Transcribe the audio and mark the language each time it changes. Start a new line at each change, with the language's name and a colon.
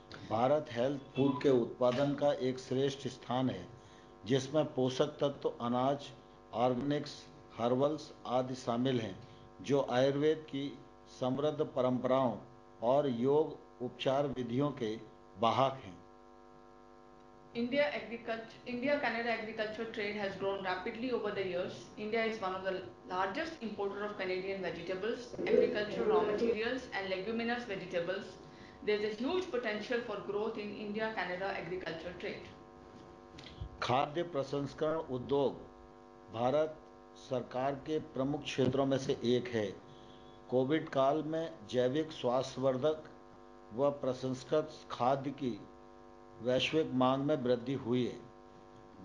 Hindi: Bharat health food के उत्पादन का एक श्रेष्ठ स्थान है, जिसमें पोषक तत्व अनाज ऑर्गेनिक्स हर्बल्स आदि शामिल हैं जो आयुर्वेद की समृद्ध परंपराओं और योग उपचार विधियों के वाहक हैं।
English: India-Canada agriculture trade has grown rapidly over the years. India is one of the largest importer of Canadian vegetables, agricultural raw materials and leguminous vegetables. There is a huge potential for growth in India-Canada agriculture trade.
Hindi: खाद्य प्रसंस्करण उद्योग भारत सरकार के प्रमुख क्षेत्रों में से एक है। कोविड काल में जैविक स्वास्थ्यवर्धक व प्रसंस्कृत खाद्य की वैश्विक मांग में वृद्धि हुई है।